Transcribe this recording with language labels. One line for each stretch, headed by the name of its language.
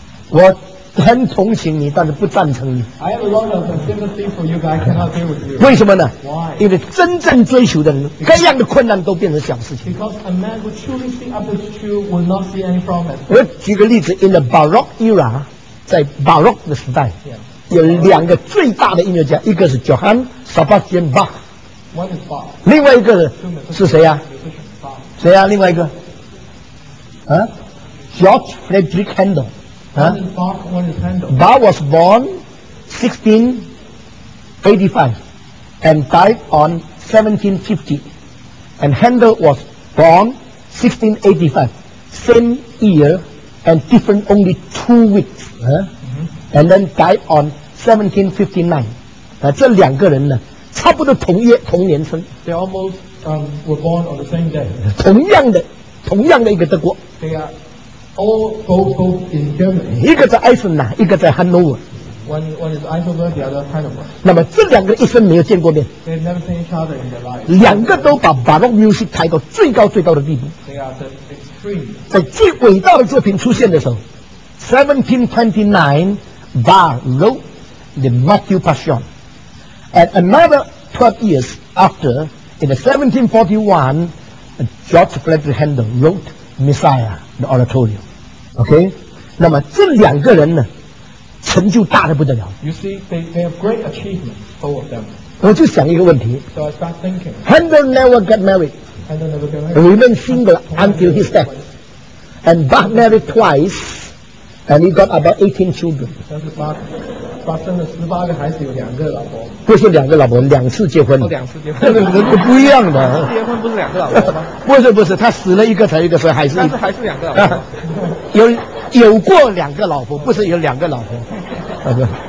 Chinese: 我很同情你，但是不赞成你。
English: I have a lot of sympathy for you, but I cannot agree with you.
Chinese: 为什么呢？
English: Why?
Chinese: 因为真正追求的人，各样的困难都变成小事情。
English: Because a man who truly sees up his truth will not see any problem.
Chinese: 我举个例子 ，
English: in the Baroque era，
Chinese: 在 Baroque 的时代，
English: yeah.
Chinese: 有两个最大的音乐家，一个是 Johann Sebastian Bach，
English: One is Bach.
Chinese: 另外一个是谁呀、啊？谁呀、啊？另外一个，啊 ，George Frederick Handel。
English: Bach was born 1685 and died on 1750. And Handel was born 1685, same year and different only 2 weeks.、And then died on 1759.
Chinese: 这两个人呢，差不多同年生。
English: They almost were born on the same day.
Chinese: 同样的一个德国。
English: They are. All both in Germany.
Chinese: 一个在埃森纳，一个在汉诺威。
English: One is Eisenberg, the other Hanover.
Chinese: 那么这两个一生没有见过面。
English: They've never seen each other in their life.
Chinese: 两个都把 Baroque music 抬到最高最高的地步。
English: They are the extreme.
Chinese: 在最伟大的作品出现的时候
English: ，1729, Bach wrote the Matthew Passion, and another 12 years after, in 1741, George Frederick Handel wrote Messiah. The oratorio, okay.
Chinese: 那么这两个人呢，成就大的不得了。
English: You see, they have great achievements, all of them.
Chinese: 我就想一个问题。
English: So I start thinking. Handel never got married. Handel never got married. Remained single until his death. And Bach married twice, and he got about 18 children.
Chinese: 但是巴生了18个孩子，有2个老婆。不是两个老婆，两次结婚。两次结婚，不一样的。结婚不是两个老婆吗？不是，他死了一个才一个，所以还是。但是还是两个老婆。有过两个老婆，不是有两个老婆。